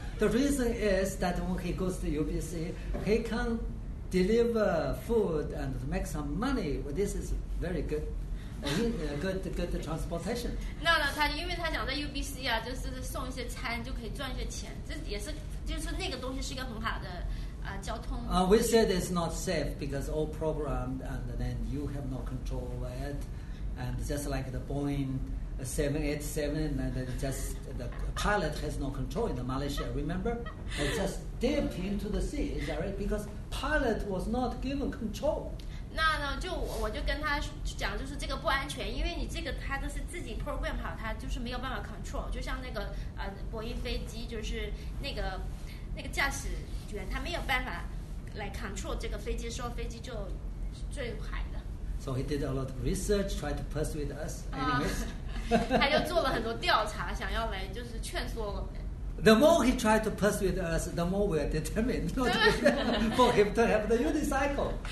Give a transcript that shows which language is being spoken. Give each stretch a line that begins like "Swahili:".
English: The reason is that when he goes to UBC, he can deliver food and make some money. Well, this is very good. good transportation.
Chinese: 那呢，他因为他想在 UBC 啊，就是送一些餐就可以赚一些钱，这也是就是那个东西是一个很好的啊、交通。
English: We said it's not safe because all programmed and then you have no control over it, and just like the Boeing 787 and then just the pilot has no control in the Malaysia. Remember, it just dipped into the sea. Is that right? Because pilot was not given control.
Chinese: 那呢，就我就跟他讲，就是这个不安全，因为你这个他都是自己 program 好，他就是没有办法 control。就像那个波音飞机，就是那个驾驶员，他没有办法来 control 这个飞机，说飞机就坠海的。
English: So he did a lot of research, tried to persuade us. Anyways,
Chinese: 他就做了很多调查，想要来就是劝说我们。
English: The more he tried to persuade us, the more we are determined not for him to have the unicycle.